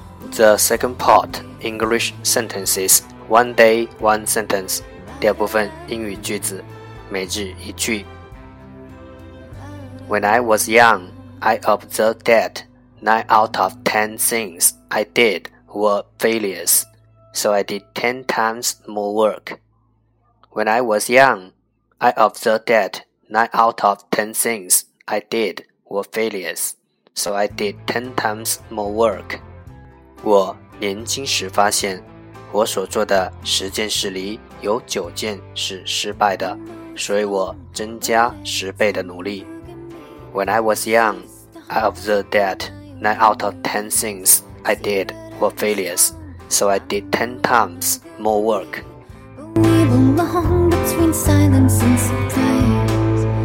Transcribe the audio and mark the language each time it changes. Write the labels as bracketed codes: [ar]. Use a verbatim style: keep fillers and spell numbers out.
[en] The second part, English sentences, one day, one sentence. [zh] 第二部分英语句子，每日一句。 [en] When I was young, I observed that nine out of ten things I did were failures, so I did ten times more work. When I was young, I observed that nine out of ten things I did were failures, so I did ten times more work. [zh] 我年轻时发现，我所做的十件事里有九件是失败的，所以我增加十倍的努力。 [en] When I was young, I observed that nine out of ten things I did were failures, so I did ten times more work. We belong between silence and surprise.